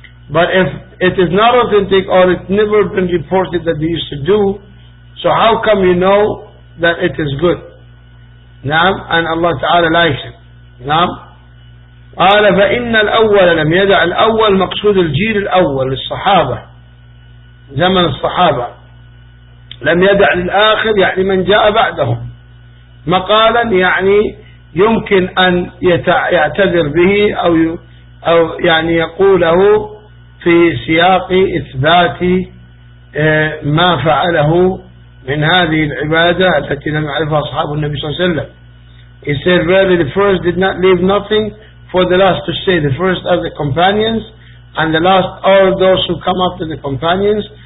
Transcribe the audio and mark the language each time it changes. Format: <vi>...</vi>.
<en>But if it is not authentic or it's never been reported that they used to do, so how come you know that it is good? Naam, and Allah Ta'ala likes it.</en> <ar>Naam. قال فإن الأول لم يدع الأول مقصود الجيل الأول للصحابة زمن الصحابة لم يدع للآخر يعني من جاء بعدهم مقالا يعني يمكن أن يعتذر به أو يعني يقوله في سياق إثبات ما فعله من هذه العبادة التي لم يعرفها أصحاب النبي صلى الله عليه وسلم.</ar> <en>He said really the first did not leave nothing for the last to say. The first are the companions, and the last are those who come after the companions.</en>